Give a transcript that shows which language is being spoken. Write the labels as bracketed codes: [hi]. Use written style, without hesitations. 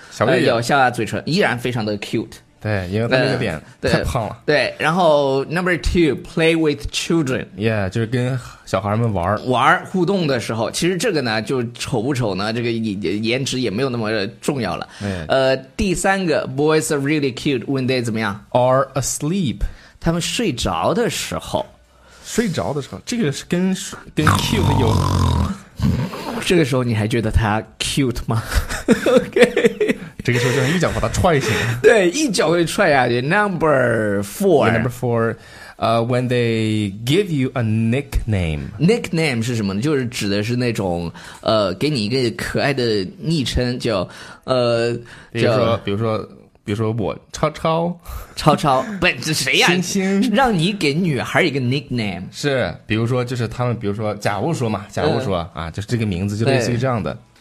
[zh] 小月月咬下嘴唇依然非常的 cute。对，因为他那个脸太胖了。对，然后 [en] number two, play with children. [zh] Yeah, 就是跟小孩们玩。玩互动的时候，其实这个呢，就丑不丑呢，这个颜值也没有那么重要了。哎、第三个 [en] ,boys are really cute when they [zh] 怎么样 [en] ?are asleep. [zh] 他们睡着的时候。睡着的时候，这个是跟 cute 有。这个时候你还觉得他 cute 吗？OK。这个时候就一脚把他踹醒了。对，一脚会踹下去。 [en] Number four. Yeah, number four, when they give you a nickname. [zh] Nickname 是什么呢？就是指的是那种给你一个可爱的昵称，叫比如说我超超。超超，不，这谁呀、啊？星星，让你给女孩一个 nickname。是，比如说，就是他们，比如说，假如说嘛，假如说、就是这个名字，就类似于这样的。